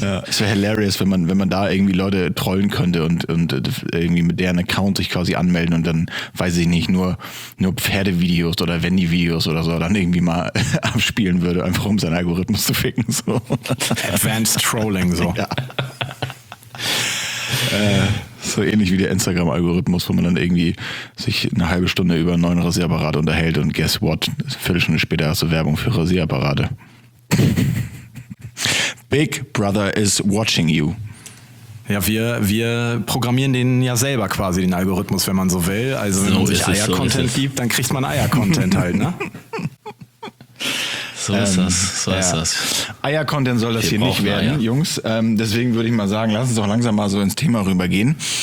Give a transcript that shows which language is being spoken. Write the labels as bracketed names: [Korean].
[German] Ja, es wäre hilarious, wenn man da irgendwie Leute trollen könnte und irgendwie mit deren Account sich quasi anmelden und dann, weiß ich nicht, nur Pferdevideos oder Wendy-Videos oder so dann irgendwie mal abspielen würde, einfach um seinen Algorithmus zu ficken. So. [English] Advanced Trolling, [German] so. Ja. So ähnlich wie der Instagram-Algorithmus, wo man dann irgendwie sich eine halbe Stunde über einen neuen Rasierapparat unterhält und [English] guess what, [German] Viertelstunde später hast du Werbung für Rasierapparate. [English] Big Brother is watching you. [German] Ja, wir programmieren den ja selber quasi, den Algorithmus, wenn man so will. Also wenn man sich Eier-Content gibt, dann kriegt man Eier-Content halt, ne? So ist das. Eier-Content soll das hier nicht werden, Jungs. Deswegen würde ich mal sagen, lass uns doch langsam mal so ins Thema rübergehen.